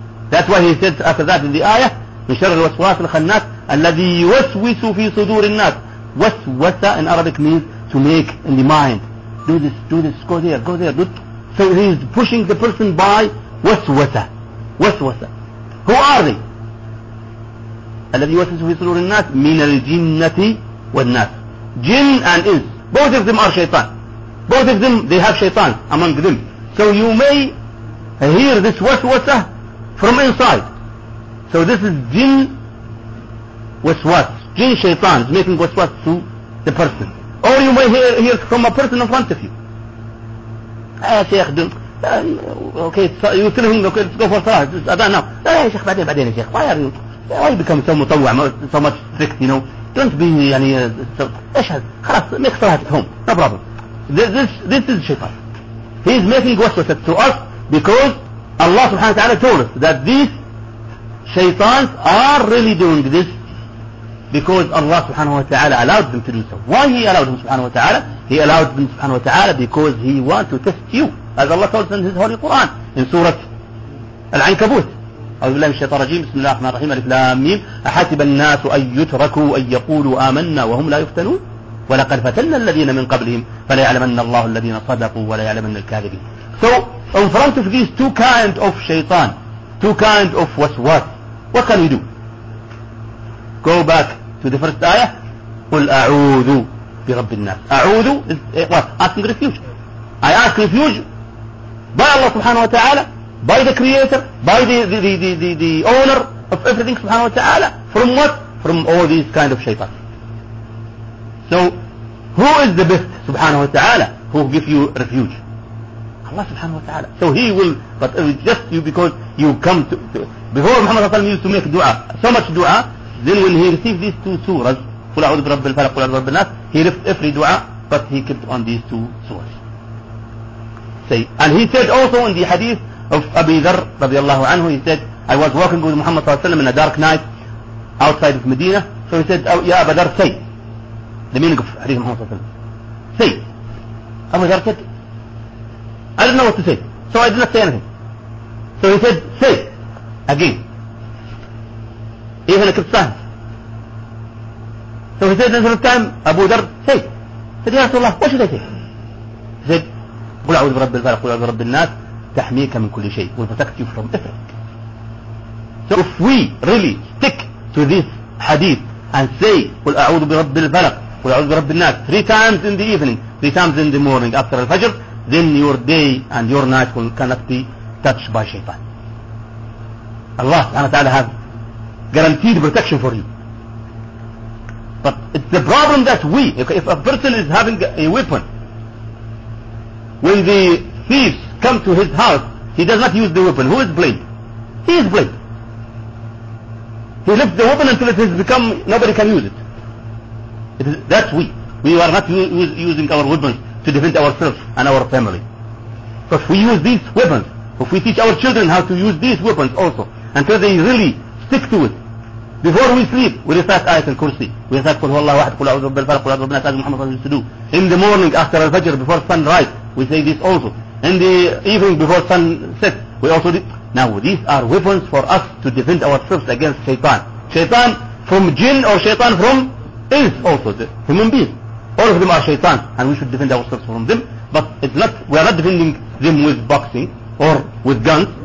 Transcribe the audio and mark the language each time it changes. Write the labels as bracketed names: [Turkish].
[English] That's why he said after that in the ayah, [Arabic] من شر الوسواس الخناس الذي يوسوس في صدور الناس. [English] Waswasa in Arabic means to make in the mind. Do this, go there, go there. So he is pushing the person by waswasa. Waswasa. Who are they? [Arabic] الذي يوسوس في صدور الناس من الجنة والناس. [English] Jinn and ins. Both of them are shaitan. Both of them, they have shaitan among them. So you may hear this waswasa from inside. So this is jinn. Waswas, jinn shaitan is making waswas to the person. Or you may hear it from a person in front of you. Ah, Shaykh, okay, so you tell him, okay, let's go for salah, it's adhan now. Ah, Shaykh, baden, Shaykh, why are you, why are you become so mutawwa, so much strict, you know? Don't be, ashad, khalas, make salah at home, no problem. This is shaitan. He is making waswas to us because Allah subhanahu wa ta'ala told us that these shaitans are really doing this because Allah subhanahu wa ta'ala allowed them to do so. Why he allowed them subhanahu wa ta'ala? He allowed them subhanahu wa ta'ala because he wants to test you. As Allah told us in his Holy Quran, in Surah Al-Ankabut. [Arabic] أعوذ بالله من الشيطان الرجيم, بسم الله الرحمن الرحيم, الف لام ميم, أحسب الناس أن يتركوا أن يقولوا آمنا وهم لا يفتنون, ولقد فتنا الذين من قبلهم فليعلمن الله الذين صدقوا وليعلمن الكاذبين. [English] So, in front of these two kind of shaitan, two kind of waswas, what can we do? Go back to the first ayah. [Arabic] قل أعوذ برب الناس. [English] أعوذ is asking refuge. I ask refuge by Allah subhanahu wa ta'ala, by the creator, by the owner of everything subhanahu wa ta'ala. From what? From all these kind of shaitan. So who is the best subhanahu wa ta'ala who gives you refuge? Allah subhanahu wa ta'ala. So he will, but just you, because you come to before Muhammad sallallahu alayhi wa sallam used to make dua, so much dua. Then when he received these two surahs, [Arabic] قُلْ أَعُوذُ بِرَبِّ الْفَلَقِ قُلْ أَعُوذُ بِرَبِّ النَّاسِ, [English] he left every dua, but he kept on these two surahs. Say, and he said also in the hadith of Abi Dharr [Arabic] رضي الله عنه, [English] he said, I was walking with Muhammad [Arabic] صلى الله عليه وسلم [English] in a dark night outside of Medina. So he said, [Arabic] يا أبا دار, [English] say, the meaning of [Arabic] حديث محمد صلى الله عليه وسلم, [English] say. Abu Dharr said, I don't know what to say, so I did not say anything. So he said, say again. Even a Kristan. So he said, this time, Abu Dharr, say. He said, Ya Rasulullah, what should I say? [Arabic] He said, قُلْ أَعُوذُ بِرَبِّ الْفَلَقِ قُلْ أَعُوذُ بِرَبِّ النَّاسِ تَحْمِيكَ مِنْ كُلِّ شَيْءٍ [English] will protect you from everything. So if we really stick to this hadith and say, [Arabic] قُلْ أَعُوذُ بِرَبِّ الْفَلَقِ قُلْ أَعُوذُ بِرَبِّ النَّاسِ [English] three times in the evening, three times in the morning after al-Fajr, then your day and your night will cannot be touched by shaitan. Allah subhanahu wa ta'ala has guaranteed protection for you. But it's the problem that we, if a person is having a weapon, when the thieves come to his house, he does not use the weapon. Who is blamed? He is blamed. He lifts the weapon until it has become, nobody can use it. That's we. We are not using our weapons to defend ourselves and our family. But if we use these weapons, if we teach our children how to use these weapons also, until they really stick to it, Before we sleep, we recite Ayat al-Kursi. We recite [Arabic] قُلْ هُوَ اللَّهُ وَحَدْ قُلْ أَعُوذُ رَبِّ الْفَلَقِ قُلْ أَعُوذُ رَبِّ النَّاسِ مُحَمَّدٍ صَلَّى اللَّهُ عَلَيْهِ وَسَلَّمَ. [English] In the morning after al-Fajr, before sunrise, we say this also. In the evening before sunset, we also do. Now these are weapons for us to defend ourselves against Shaitan. Shaitan from jinn or Shaitan from ins also, the human beings. All of them are Shaitan, and we should defend ourselves from them. But it's not, we are not defending them with boxing or with guns.